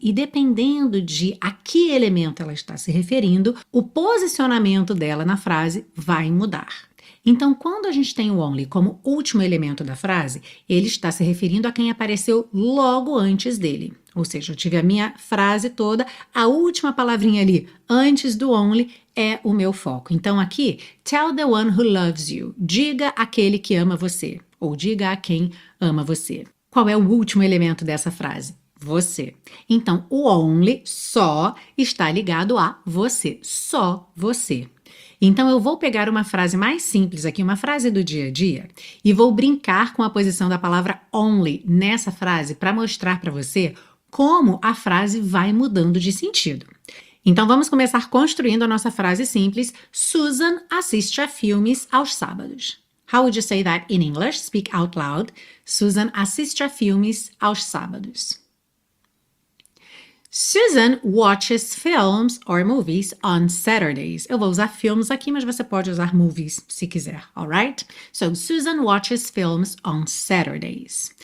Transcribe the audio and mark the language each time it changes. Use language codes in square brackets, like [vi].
[pt] E dependendo de a que elemento ela está se referindo, o posicionamento dela na frase vai mudar. Então, quando a gente tem o only como último elemento da frase, ele está se referindo a quem apareceu logo antes dele. Ou seja, eu tive a minha frase toda, a última palavrinha ali antes do only é o meu foco. Então, aqui, [en] tell the one who loves you. [pt] Diga aquele que ama você. Ou diga a quem ama você. Qual é o último elemento dessa frase? Você. Então, o only, só, está ligado a você. Só você. Então, eu vou pegar uma frase mais simples aqui, uma frase do dia a dia, e vou brincar com a posição da palavra only nessa frase para mostrar para você como a frase vai mudando de sentido. Então, vamos começar construindo a nossa frase simples. Susan assiste a filmes aos sábados. [en] How would you say that in English? Speak out loud. [pt] Susan assiste a filmes aos sábados. [en] Susan watches films or movies on Saturdays. [pt] Eu vou usar filmes aqui, mas você pode usar movies se quiser, [en] all right? So, Susan watches films on Saturdays.